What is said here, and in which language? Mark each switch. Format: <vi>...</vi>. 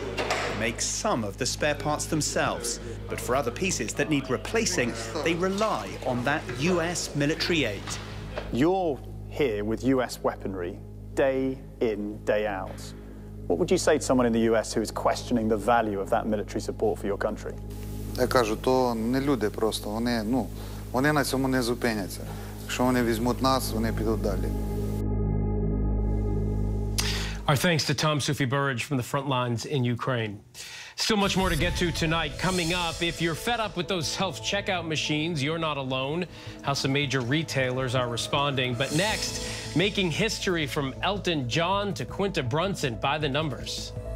<en>They make some of the spare parts themselves, but for other pieces that need replacing, they rely on that US military aid. You're here with US weaponry day in, day out. What would you say to someone in the US who is questioning the value of that military support for your country?</en> <uk>Я кажу, то не люди просто, вони на цьому не зупиняться. Якщо вони візьмуть нас, вони підуть далі.</uk> <en>Our thanks to Tom Sufi Burridge from the front lines in Ukraine. Still much more to get to tonight. Coming up, if you're fed up with those self-checkout machines, you're not alone. How some major retailers are responding. But next, making history from Elton John to Quinta Brunson by the numbers.</en>